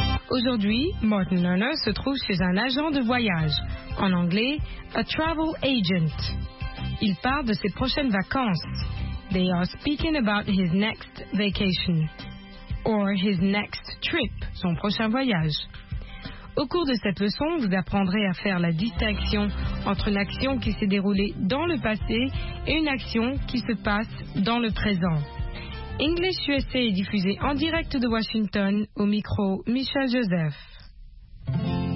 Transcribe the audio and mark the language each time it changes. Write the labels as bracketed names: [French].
[French] Aujourd'hui, Martin Lerner se trouve chez un agent de voyage, en anglais, [English] a travel agent. [French] Il parle de ses prochaines vacances. [English] They are speaking about his next vacation, or his next trip, [French] son prochain voyage. Au cours de cette leçon, vous apprendrez à faire la distinction entre une action qui s'est déroulée dans le passé et une action qui se passe dans le présent. English USA est diffusé en direct de Washington au micro Michel Joseph.